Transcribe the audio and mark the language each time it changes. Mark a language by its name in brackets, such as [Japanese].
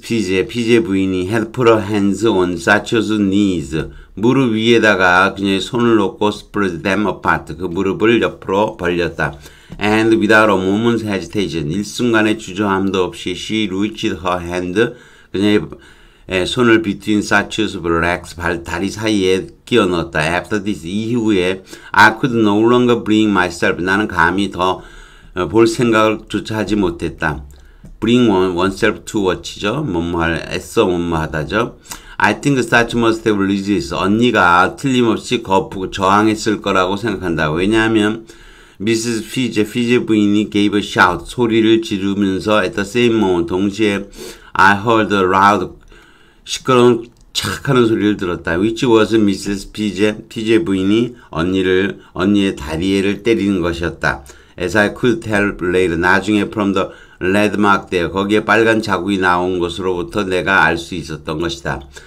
[English] PJ [Korean] 부인이 [English] had put her hands on Satcho's knees. [Korean] 무릎 위에다가 그녀의 손을 놓고 [English] spread them apart. [Korean] 그 무릎을 옆으로 벌렸다. [English] And without a moment's hesitation, [Korean] 일순간의 주저함도 없이 [English] she reached her hand, [Korean] 그녀의 손을 [English] between Satcho's legs, [Korean] 다리 사이에 끼워 넣었다. [English] After this, [Korean] 이후에 [English] I could no longer bring myself, [Korean] 나는 감히 더 볼 생각조차 하지 못했다. [English] Bring oneself to watch죠. [Korean] 뭐뭐할, 애써 뭐뭐하다죠. [English] I think Satcho must have resisted. [Korean] 언니가 틀림없이 거푸고 저항했을 거라고 생각한다. 왜냐하면 Mrs. Fiji 부인이 [English] gave a shout, [Korean] 소리를 지르면서 [English] at the same moment, [Korean] 동시에 [English] I heard a loud, [Korean] 시끄러운 착 하는 소리를 들었다. [English] Which was Mrs. [Korean] Fiji 부인이 언니의 다리에를 때리는 것이었다. [English] As I could tell later, [Korean] 나중에 [English] from the red mark there, [Korean] 거기에 빨간 자국이 나온 것으로부터 내가 알 수 있었던 것이다.